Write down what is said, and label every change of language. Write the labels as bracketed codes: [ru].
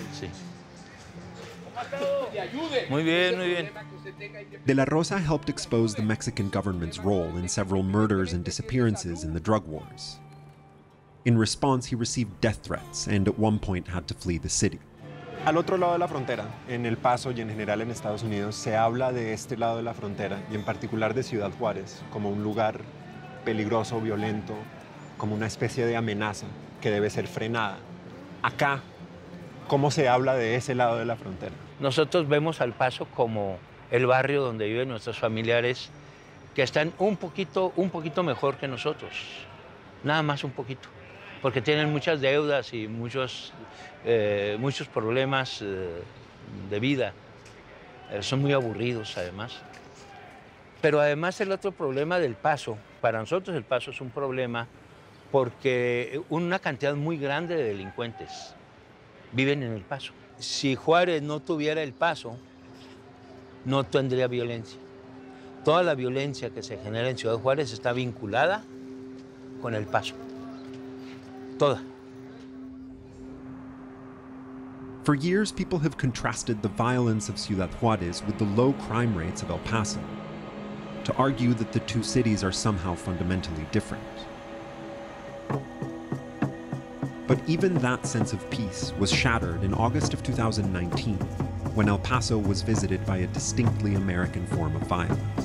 [es] Sí. [en] De la Rosa helped expose the Mexican government's role in several murders and disappearances in the drug wars. In response, he received death threats and at one point had to flee the city. [es] Al otro lado de la frontera, en El Paso y en general en Estados Unidos, se habla de este lado de la frontera y en particular de Ciudad Juárez como un lugar peligroso, violento, como una especie de amenaza que debe ser frenada. Acá, ¿cómo se habla de ese lado de la frontera? Nosotros vemos al Paso como el barrio donde viven nuestros familiares que están un poquito mejor que nosotros, nada más un poquito, porque tienen muchas deudas y muchos problemas de vida. Son muy aburridos, además. Pero además el otro problema del Paso, para nosotros el Paso es un problema porque una cantidad muy grande de delincuentes viven en el Paso. Si Juárez no tuviera el Paso, no tendría violencia. Toda la violencia que se genera en Ciudad Juárez está vinculada con el Paso. Toda. [en] For years, people have contrasted the violence of Ciudad Juárez with the low crime rates of El Paso, to argue that the two cities are somehow fundamentally different. But even that sense of peace was shattered in August of 2019, when El Paso was visited by a distinctly American form of violence.